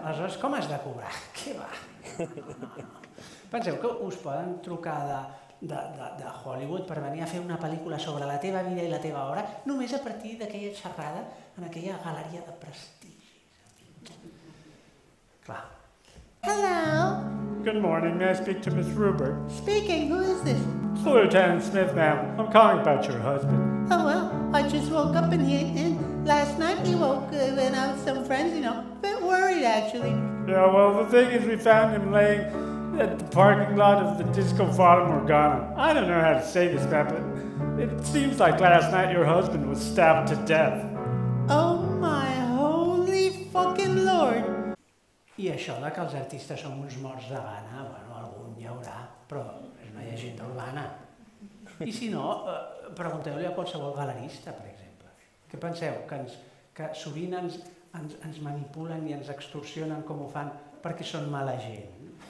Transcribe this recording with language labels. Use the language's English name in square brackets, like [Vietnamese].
[Catalan] Aleshores, com has de cobrar? Què va? Penseu que us poden trucar de Hollywood per venir a fer una pel·lícula sobre la teva vida i la teva obra només a partir d'aquella xerrada en aquella galeria de prestigi. Clar. [English] Hello. Good morning. May I speak to Miss Rupert? Speaking. Who is this? It's Lieutenant Smith, ma'am. I'm calling about your husband. Oh, well, I just woke up and last night he woke up and I was with some friends, you know. A bit worried, actually. Yeah, well, the thing is we found him laying at the parking lot of the Disco Fata Morgana. I don't know how to say this, ma'am, but it seems like last night your husband was stabbed to death. Oh, my holy fucking Lord. [Catalan] I això de que els artistes som uns morts de gana, bueno, algun hi haurà, però és una llegenda urbana. I si no, pregunteu-li a qualsevol galerista, per exemple. Què penseu? Que sovint ens manipulen i ens extorsionen com ho fan perquè són mala gent?